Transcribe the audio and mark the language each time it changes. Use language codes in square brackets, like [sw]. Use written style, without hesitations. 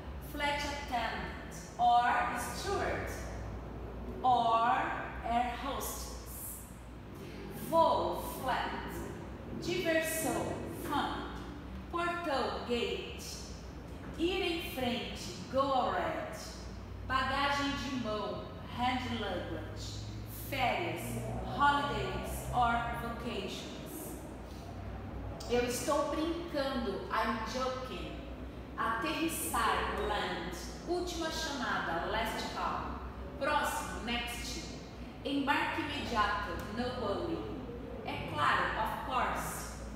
[en] Flight attendant, or steward, or air hostess. [pt] Voo, [en] flight. [pt] Diversão, [en] fun. [pt] Portão, [en] gate. [pt] Ir em frente, [en] go ahead. [pt] Bagagem de mão, [en] hand luggage. [pt] Férias, [en] holidays, or vacation. [pt] Eu estou brincando, [en] I'm joking. [pt] Aterrissar, [en] land. [pt] Última chamada, [en] last call. [pt] Próximo, [en] next. [pt] Embarque imediato, [en] no worry. [pt] É claro, [en] of course.